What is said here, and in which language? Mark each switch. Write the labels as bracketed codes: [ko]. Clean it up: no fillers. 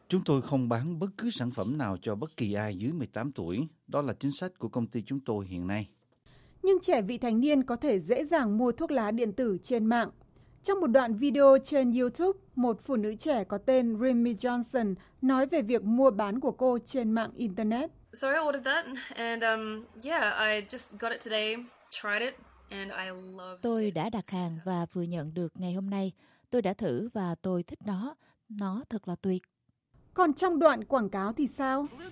[vi] Chúng tôi không bán bất cứ sản phẩm nào cho bất kỳ ai dưới 18 tuổi. Đó là chính sách của công ty chúng tôi hiện nay. Nhưng trẻ vị thành niên có thể dễ dàng mua thuốc lá điện tử trên mạng. Trong một đoạn video trên YouTube, một phụ nữ trẻ có tên Remy Johnson nói về việc mua bán của cô trên mạng Internet. [en] So I ordered that and I just got it today, tried it and I loved it. [vi] Tôi đã đặt hàng và vừa nhận được ngày hôm nay. Tôi đã thử và tôi thích nó. Nó thật là tuyệt. Còn trong đoạn quảng cáo thì sao?